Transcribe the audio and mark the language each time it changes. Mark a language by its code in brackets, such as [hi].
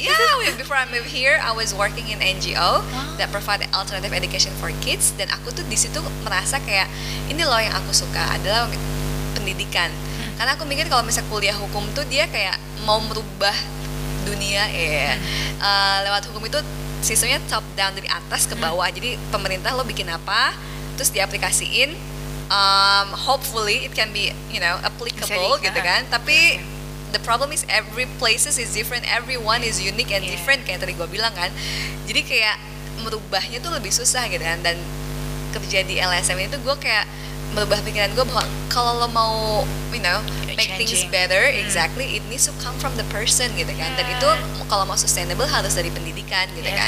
[en] Yeah, before I move here, I was working in NGO that provide alternative education for kids. [id] Dan aku tuh di situ merasa kayak, ini loh yang aku suka adalah pendidikan. Karena aku mikir kalau misalnya kuliah hukum tuh dia kayak mau merubah dunia, ya. Lewat hukum itu sistemnya top down, dari atas ke bawah. Jadi pemerintah lo bikin apa, terus diaplikasiin, [en] hopefully it can be, you know, applicable [id] gitu kan. Tapi the problem is every places is different, everyone is unique and different, kayak tadi gue bilang kan. Jadi kayak merubahnya tuh lebih susah gitu kan. Dan kerja di LSM itu gue kayak merubah pikiran gue bahwa kalau lo mau, [en] you know, make changing things better, exactly, it needs to come from the person [id] gitu kan. Dan itu kalau mau sustainable harus dari pendidikan gitu kan.